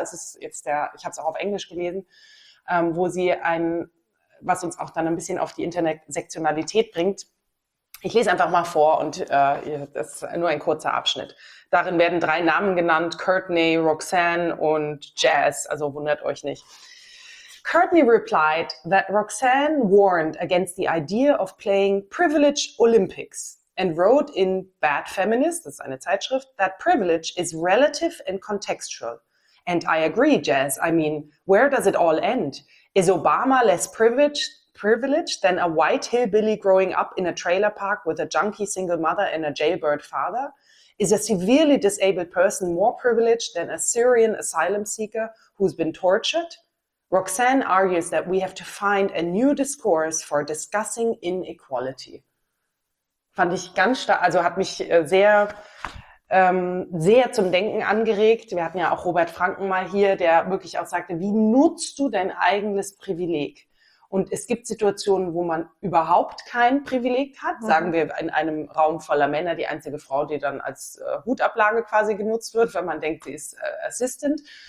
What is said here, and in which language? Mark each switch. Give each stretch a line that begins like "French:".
German: Es ist jetzt ich habe es auch auf Englisch gelesen, wo sie was uns auch dann ein bisschen auf die Intersektionalität bringt. Ich lese einfach mal vor und das ist nur ein kurzer Abschnitt. Darin werden drei Namen genannt, Courtney, Roxanne und Jazz, also wundert euch nicht.
English: Courtney replied that Roxanne warned against the idea of playing privileged Olympics and wrote in Bad Feminist,
German: das ist eine Zeitschrift,
English: that privilege is relative and contextual. And I agree, Jazz, I mean, where does it all end? Is Obama less privileged than a white hillbilly growing up in a trailer park with a junky single mother and a jailbird father? Is a severely disabled person more privileged than a Syrian asylum seeker who's been tortured? Roxanne argues that we have to find a new discourse for discussing inequality.
German: Fand ich ganz stark, also hat mich sehr, sehr zum Denken angeregt. Wir hatten ja auch Robert Franken mal hier, der wirklich auch sagte, wie nutzt du dein eigenes Privileg? Und es gibt Situationen, wo man überhaupt kein Privileg hat. Sagen wir, in einem Raum voller Männer, die einzige Frau, die dann als Hutablage quasi genutzt wird, wenn man denkt, sie ist Assistant.